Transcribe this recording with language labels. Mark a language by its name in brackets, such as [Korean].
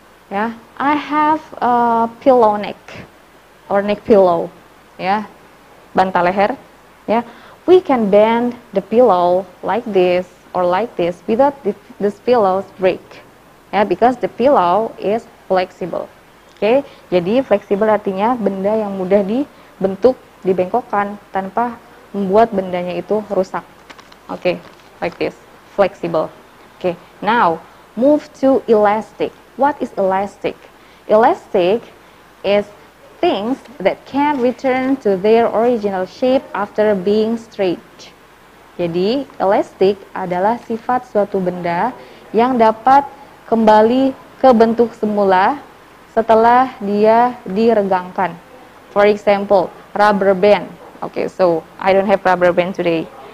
[English] Yeah, I have a pillow neck or neck pillow, yeah, [Indonesian] bantal leher. [English] Yeah, we can bend the pillow like this or like this without this pillow's break. Yeah, because the pillow is flexible. [Indonesian] Okay, jadi flexible artinya benda yang mudah dibentuk, dibengkokkan tanpa membuat bendanya itu rusak. [English] Okay, like this, flexible. Okay, now move to elastic. What is elastic? Elastic is things that can return to their original shape after being stretched. [Indonesian] Jadi, elastic adalah sifat suatu benda yang dapat kembali ke bentuk semula setelah dia diregangkan. [English] For example, rubber band. Okay, so I don't have rubber band today.